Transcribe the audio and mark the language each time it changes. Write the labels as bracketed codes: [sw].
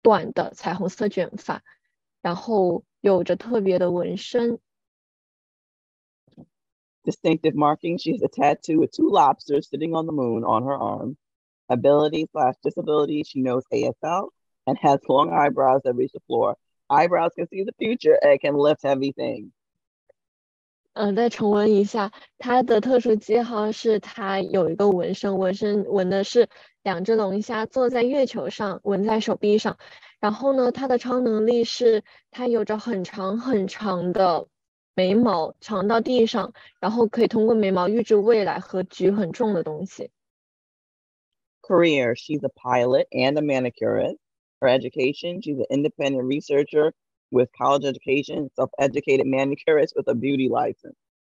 [zh] 她有着短的彩虹色卷发, 然后有着特别的纹身。 [en] Distinctive marking, she has a tattoo with two lobsters sitting on the moon on her arm. Ability/disability, she knows ASL and has long eyebrows that reach the floor. Eyebrows can see the future and can lift heavy things. [zh] 再重温一下 他的特殊记号是他有一个纹身 纹身纹的是两只龙虾坐在月球上 纹在手臂上 然后呢 他的超能力是他有着很长很长的眉毛 长到地上 然后可以通过眉毛预知未来和举很重的东西 [en] Career, she's a pilot and a manicurist. Her education, she's an independent researcher with college education, self-educated manicurist with a beauty license.